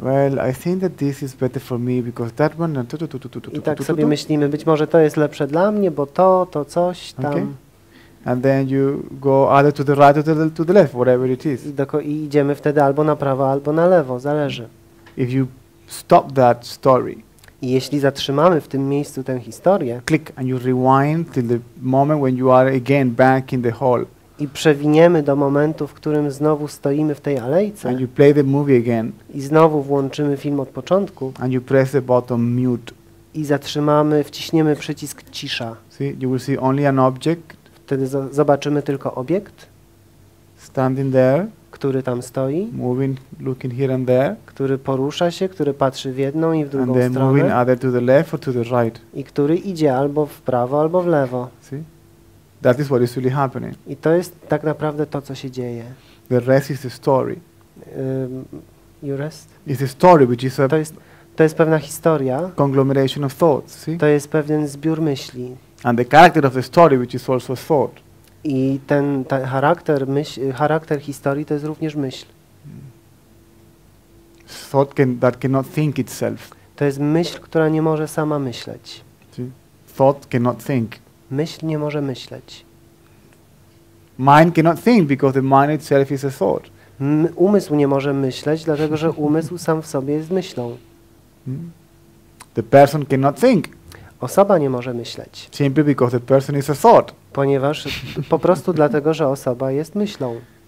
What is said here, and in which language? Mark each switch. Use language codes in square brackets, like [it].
[en] Well, I think that this is better for me because that one. [pl] I tak sobie myślimy, być może to jest lepsze dla mnie, bo to, to coś tam. [en] And then you go either to the right or to the left, whatever it is. [pl] I idziemy wtedy albo na prawo, albo na lewo, zależy. [en] If you stop that story. [pl] I jeśli zatrzymamy w tym miejscu tę historię. [en] Click and you rewind till the moment when you are again back in the hall. [pl] I przewiniemy do momentu, w którym znowu stoimy w tej alejce. [en] And you play the movie again. [pl] I znowu włączymy film od początku. [en] And you press the button mute. [pl] I zatrzymamy, wciśniemy przycisk cisza. [en] See, you will see only an object. [pl] Wtedy zobaczymy tylko obiekt. [en] Standing there. [pl] Który tam stoi. [en] Moving, looking here and there. [pl] Który porusza się, który patrzy w jedną i w drugą stronę. [en] And then moving either to the left or to the right. [pl] I który idzie albo w prawo, albo w lewo. [en] See? That is what is really happening. [pl] I to jest tak naprawdę to, co się dzieje. [en] The rest is the story. You rest? It's a story, which is a [pl] to jest pewna historia. [en] Conglomeration of thoughts, see? [pl] To jest pewien zbiór myśli. [en] And the character of the story, which is also thought. [pl] I ten charakter historii to jest również myśl. [en] Thought that cannot think itself. [pl] To jest myśl, która nie może sama myśleć. [en] See? Thought cannot think. [pl] Myśl nie może myśleć. [en] Mind cannot think because the mind itself is a thought. [pl] Umysł nie może myśleć, dlatego że umysł sam w sobie jest myślą. [en] The person cannot think. [pl] Osoba nie może myśleć. [en] Simply because the person is a thought. [pl] Ponieważ po prostu dlatego, że osoba jest myślą.